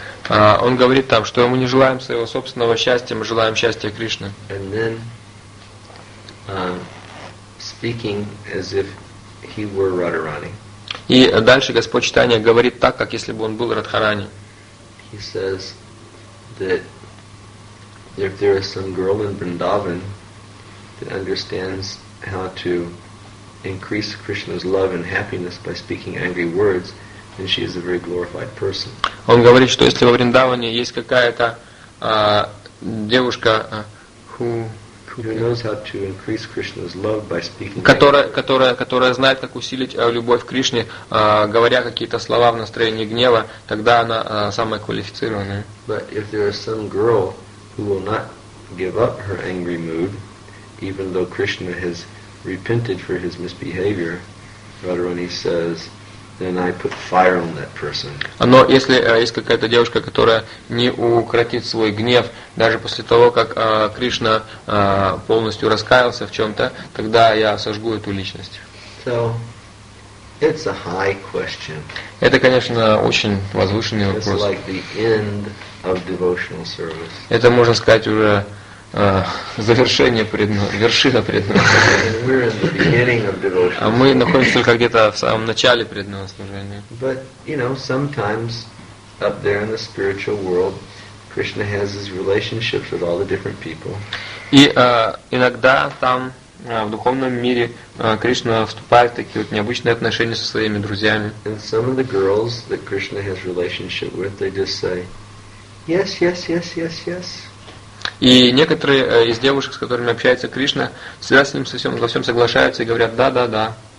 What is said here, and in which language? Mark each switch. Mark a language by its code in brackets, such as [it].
[ru] Он говорит там, что мы не желаем своего собственного счастья, мы желаем счастья Кришны. [en] And then, speaking as if he were Radharani. [ru] И дальше Господь Чайтанья говорит так, как если бы он был Радхарани. [en] He says that if there is some girl in Vrindavan that understands how to increase Krishna's love and happiness by speaking angry words, then she is a very glorified person. [ru] Он говорит, что если во Вриндаване есть какая-то девушка, [en] who knows how to increase Krishna's love by speaking, [ru] которая знает, как усилить любовь к Кришне, говоря какие-то слова в настроении гнева, тогда она самая квалифицированная. [en] But if there is some girl who will not give up her angry mood, even though Krishna has repented for his misbehavior, Radharani says, then I put fire on that person. [ru] Но если есть какая-то девушка, которая не укротит свой гнев даже после того, как Кришна полностью раскаялся в чем-то, тогда я сожгу эту личность. [en] So, it's a high question. [ru] Это, конечно, очень возвышенный вопрос. [en] It's like the end of devotional service. [ru] Это, можно сказать, уже завершение вершина преданного служения. А мы находимся только где-то в самом начале преданного служения. [en] But, you know, sometimes up there in the spiritual world, Krishna has his relationships with all the different people. [ru] И иногда там, в духовном мире, Кришна вступает в такие вот необычные отношения со своими друзьями. [en] And some of the girls that Krishna has relationship with, they just say, yes, yes, yes, yes, yes. [ru] И некоторые из девушек, с которыми общается Кришна, всегда с ним во всем соглашаются и говорят «да, да, да».